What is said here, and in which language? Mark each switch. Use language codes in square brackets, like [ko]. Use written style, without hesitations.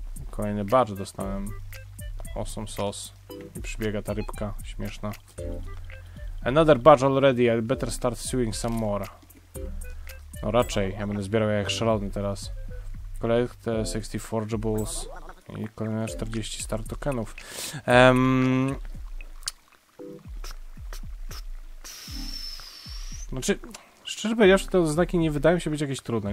[pl] Kolejny badge dostałem. [en] Awesome sauce. [pl] I przybiega ta rybka, śmieszna. [en] Another badge already, I better start sewing some more. [pl] No raczej, ja będę zbierał jak szalony teraz. Kolejne 60 forgeables i kolejne 40 star tokenów. Znaczy, szczerze powiedziawszy, te oznaki nie wydają się być jakieś trudne.